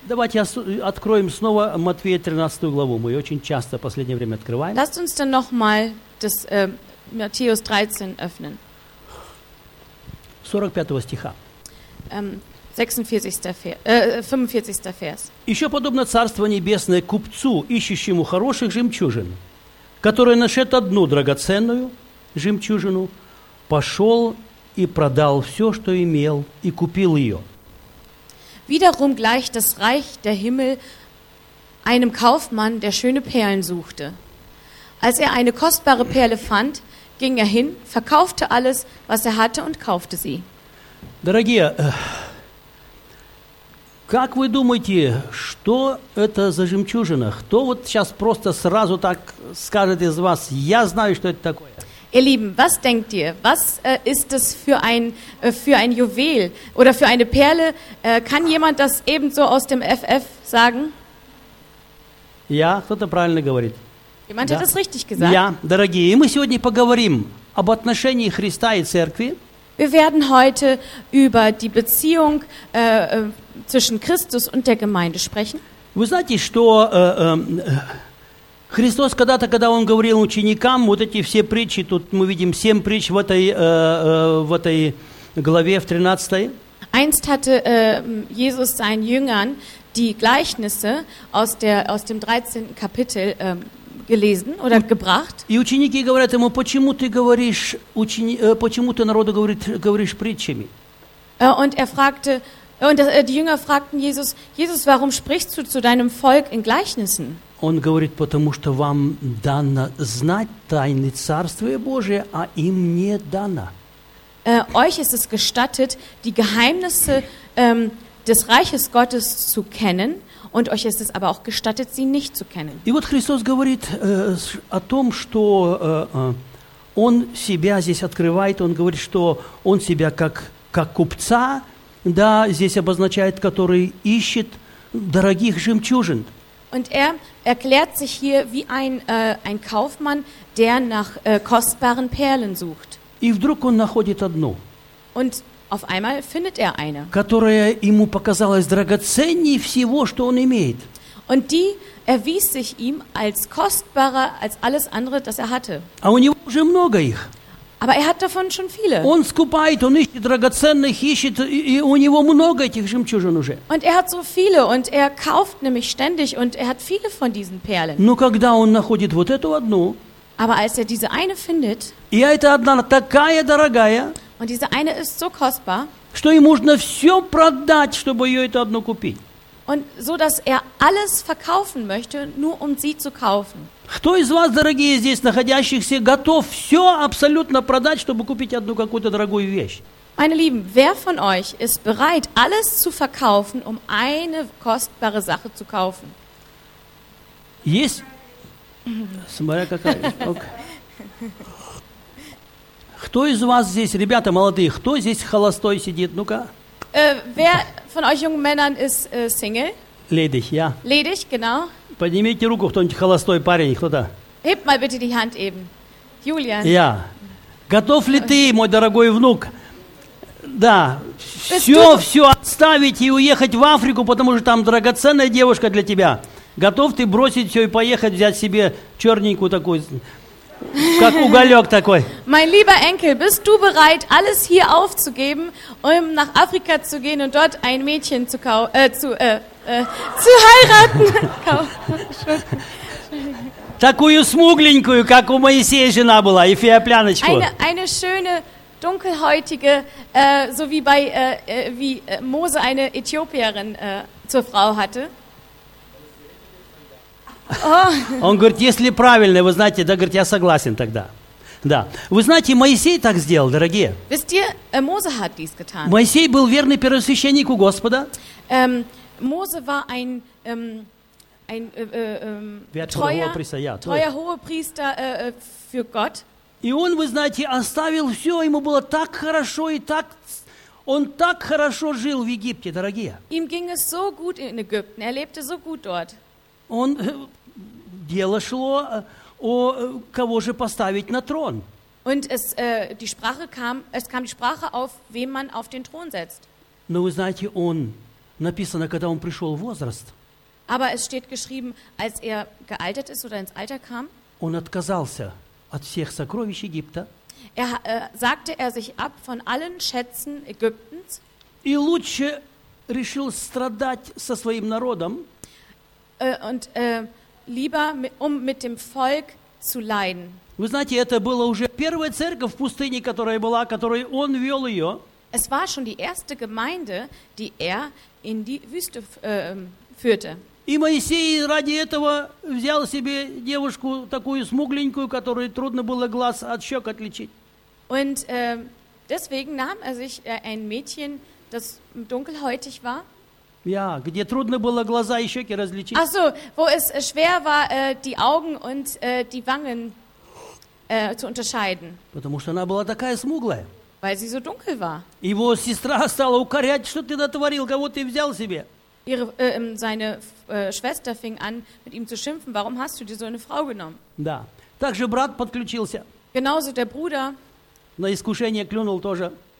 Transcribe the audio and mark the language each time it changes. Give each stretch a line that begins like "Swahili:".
Russian: Давайте откроем снова Матфея 13 главу. Мы очень часто в последнее время открываем.
German: Lasst uns dann noch mal das Matthäus 13 öffnen.
Russian: 45 стиха.
German: 45 Vers.
Russian: Еще подобно Царство Небесное купцу, ищущему хороших жемчужин, который нашел одну драгоценную жемчужину, пошел и продал все, что имел, и купил ее.
German: Wiederum gleicht das Reich der Himmel einem Kaufmann, der schöne Perlen suchte. Als er eine kostbare Perle fand, ging er hin, verkaufte alles, was er hatte und kaufte sie.
Russian: Дорогие, как вы думаете, что это за жемчужина? Кто вот сейчас просто сразу так скажет из вас, я знаю, что это такое?
German: Ihr Lieben, was denkt ihr? Was ist das für ein Juwel oder für eine Perle? Kann jemand das ebenso aus dem FF sagen?
Russian: Ja, кто-то правильно говорит.
German: Jemand hat das richtig gesagt.
Russian: Ja, дорогие, мы сегодня поговорим об отношении Христа и Церкви.
German: Wir werden heute über die Beziehung zwischen Christus und der Gemeinde sprechen.
Russian: Вы знаете, что Христос когда-то, когда он говорил ученикам, вот эти все притчи, тут мы видим семь притч в этой главе, в 13-й.
German: Einst hatte Jesus seinen Jüngern die Gleichnisse aus dem 13. Kapitel gelesen oder gebracht.
Russian: И ученики говорят ему, почему ты говоришь, почему ты народу говоришь притчами?
German: Die Jünger fragten Jesus, Jesus, warum sprichst du zu deinem Volk in Gleichnissen?
Russian: Он говорит, потому что вам дано знать тайны Царствия Божия, а им не дано.
German: Euch ist es gestattet, die Geheimnisse des Reiches Gottes zu kennen, und euch ist es aber auch gestattet, sie nicht zu kennen.
Russian: И вот Христос говорит о том, что он себя здесь открывает, он говорит, что он себя как купца, да, здесь обозначает, который ищет дорогих жемчужин.
German: Und er erklärt sich hier wie ein Kaufmann, der nach kostbaren Perlen sucht.
Russian: И вдруг он находит одну.
German: Und auf einmal findet er eine.
Russian: Которая ему показалась драгоценней всего, что он имеет.
German: Und die erwies sich ihm als kostbarer als alles andere, das er hatte.
Russian: А у него уже много их.
German: Aber er hat davon schon viele.
Russian: Он скупает, он ищет драгоценных, ищет, и у него много этих жемчужин уже.
German: Und er hat so viele, und er kauft nämlich ständig, und er hat viele von diesen Perlen.
Russian: Но когда он находит вот эту одну,
German: aber als er diese eine findet,
Russian: и эта одна такая дорогая,
German: und diese eine ist so kostbar,
Russian: что ему нужно все продать, чтобы ее эту одну купить.
German: Und so, dass er alles verkaufen möchte, nur um sie zu kaufen.
Russian: Кто из вас, дорогие здесь находящихся, готов все абсолютно продать, чтобы купить одну какую-то дорогую вещь?
German: Meine Lieben, wer von euch ist bereit, alles zu verkaufen, um eine kostbare Sache zu kaufen?
Russian: Есть? Смотря какая. Okay. Кто из вас здесь, ребята молодые, кто здесь холостой сидит? Ну-ка.
German: Wer von euch jungen Männern ist Single? Ledig, ja. Ledig, genau.
Russian: Поднимите руку, кто-нибудь холостой парень, кто-то.
German: Heb mal bitte die Hand eben. Julian. Ja.
Russian: Готов ли ты, мой дорогой внук, да, все отставить и уехать в Африку, потому что там драгоценная девушка для тебя? Готов ты бросить все и поехать взять себе черненькую такую, как уголек такой?
German: Mein lieber Enkel, bist du bereit, alles hier aufzugeben, um nach Afrika zu gehen und dort ein Mädchen zu zu heiraten.
Russian: Такую смугленькую, как у Моисея жена была, эфиопляночку.
German: Eine schöne, dunkelhäutige, so wie bei wie Mose eine Äthiopierin zur Frau hatte.
Russian: Он говорит, если правильно, вы знаете, да, говорит, я согласен тогда. Да. Вы знаете, Моисей так сделал, дорогие.
German: Wisst ihr, Mose hat dies getan.
Russian: Моисей был верный первосвященник у Господа.
German: Mose war ein treuer Hohepriester für Gott.
Russian: И он, вы знаете, оставил все, ему было так хорошо и так... Он так хорошо жил в Египте, дорогие.
German: Ihm ging es so gut in Ägypten. Er lebte so gut dort.
Russian: Он, дело шло о кого же поставить на трон.
German: Und es, die Sprache kam, es kam die Sprache auf, wem man auf den Thron setzt.
Russian: Но вы знаете, он написано, когда он пришел в возраст.
German: Aber es steht geschrieben, als er gealtert ist oder ins Alter kam.
Russian: Он отказался от всех сокровищ Египта.
German: Er sagte er sich ab von allen Schätzen Ägyptens.
Russian: И лучше решил страдать со своим народом.
German: Und lieber um mit dem Volk zu leiden.
Russian: Вы знаете, это была уже первая церковь в пустыне, которая была, которой он вел ее.
German: Es war schon die erste Gemeinde, die er in die Wüste führte.
Russian: И Моисей ради этого взял себе девушку такую смугленькую, которой трудно было глаз от щек отличить.
German: Und deswegen nahm er sich ein Mädchen, das dunkelhäutig war.
Russian: Ja, где трудно было глаза и щеки различить.
German: Ach so, wo es schwer war, die Augen und die Wangen zu unterscheiden.
Russian: Потому что она была такая смуглая.
German: Weil sie so dunkel war.
Russian: Его сестра стала укорять, что ты натворил, кого ты взял себе.
German: Ihre, seine Schwester fing an, mit ihm zu schimpfen. Warum hast du dir so eine Frau genommen?
Russian: Да. Также брат подключился.
German: Genauso der Bruder.
Russian: На искушение клюнул тоже.